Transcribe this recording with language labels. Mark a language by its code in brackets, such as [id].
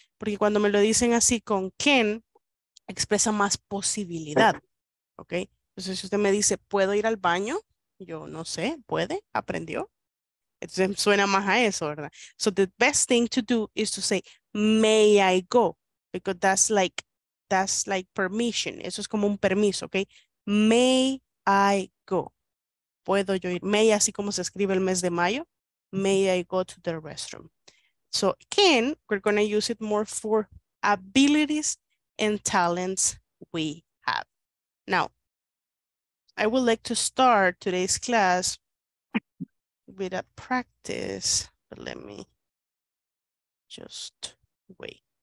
[es] Porque cuando me lo dicen así con can, expresa más posibilidad. ¿Ok? Entonces si usted me dice puedo ir al baño, yo no sé, puede, aprendió. Entonces suena más a eso, ¿verdad? [en] So the best thing to do is to say may I go, because that's like permission. [es] Eso es como un permiso, ¿ok? [en] May I go. [es] Puedo yo ir. May, así como se escribe el mes de mayo. [en] May I go to the restroom. So can, we're going to use it more for abilities and talents we have. Now, I would like to start today's class with a practice. But let me just wait.